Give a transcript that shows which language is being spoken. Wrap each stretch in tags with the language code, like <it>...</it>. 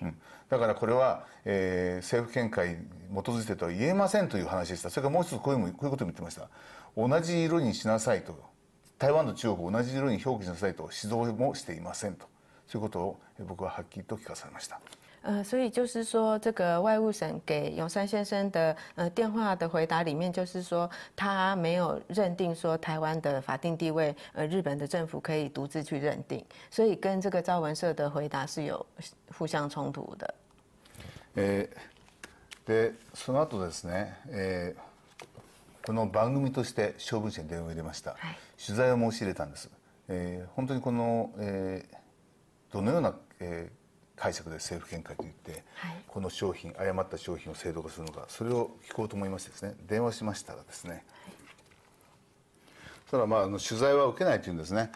<ja>うん、だからこれは、政府見解に基づいてとは言えませんという話でした。それからもう一つこういうことも言ってました。同じ色にしなさいと、台湾と中国を同じ色に表記しなさいと指導もしていませんと、そういうことを僕ははっきりと聞かされました。</ja> <zh>所以就是说，这个外务省给永山先生的电话的回答里面，就是说他没有认定说台湾的法定地位，日本的政府可以独自去认定，所以跟这个赵文社的回答是有互相冲突的。</zh> <ja>でその後ですね、この番組として小文社に電話を入れました。取材を申し入れたんです。本当にこの、どのような、解釈で政府見解と言って、はい、この商品、誤った商品を正当化するのか、それを聞こうと思いましてですね、電話しましたらですね、はい、ただ、まあ、取材は受けないというんですね、</ja>